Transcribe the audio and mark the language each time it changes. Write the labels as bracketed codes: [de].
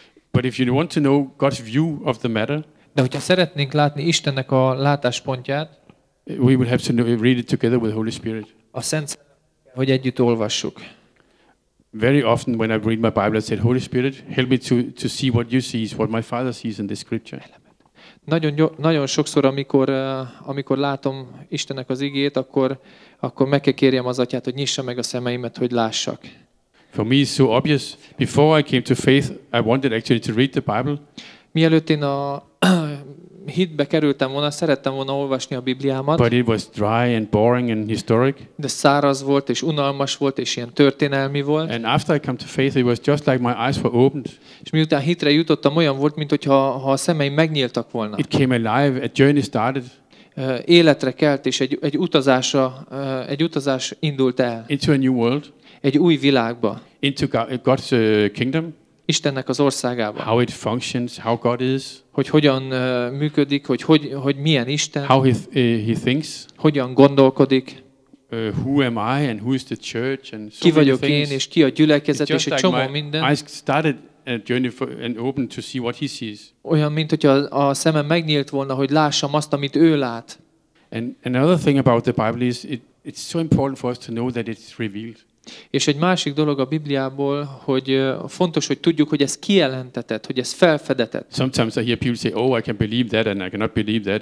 [en] But if you want to know God's view of the matter, [hu] de hogyha szeretnénk látni Istennek a látáspontját, [en] we will have to read it together with the Holy Spirit. [hu] A Szent Szellemmel, hogy együtt olvassuk. [en] Very often when I read my Bible, I said, Holy Spirit, help me to see what you see, what my father sees in this scripture. [hu] Nagyon sokszor, amikor látom Istennek az igét, akkor meg kell kérjem az atyát, hogy nyissa meg a szemeimet, hogy lássak. [en] For me it's so obvious. Before I came to faith, I wanted actually to read the Bible. [hu] Mielőtt én a hitbe kerültem volna, szerettem volna olvasni a Bibliámat. [en] But it was dry and boring and historic. [hu] De száraz volt és unalmas volt és ilyen történelmi volt. [en] And after I came to faith, it was just like my eyes were opened. [hu] És miután hitre jutottam, olyan volt, mint hogyha ha a szemeim megnyíltak volna. [en] It came alive, a journey started. [hu] Életre kelt és egy utazás indult el. [en] Into a new world. [hu] Egy új világba. [en] Into God's kingdom. [hu] Istennek az országába. [en] How it functions, how God is. [hu] Hogy hogyan működik, hogy milyen Isten. [en] How he thinks. [hu] Hogyan gondolkodik. [en] Who am I and who is the church and so [hu] ki vagyok [en] things. [hu] Én és ki a gyülekezet és egy [en] like [hu] csomó [en] my, [hu] minden. [en] I started a journey for, and opened to see what he sees. [hu] Olyan, mint hogyha a szemem megnyílt volna, hogy lássam azt, amit ő lát. [en] And another thing about the Bible is it's so important for us to know that it's revealed. [hu] És egy másik dolog a Bibliából, hogy fontos, hogy tudjuk, hogy ez kijelentetett, hogy ez felfedetett. [en] Sometimes I hear people say, oh, I can believe that and I cannot believe that.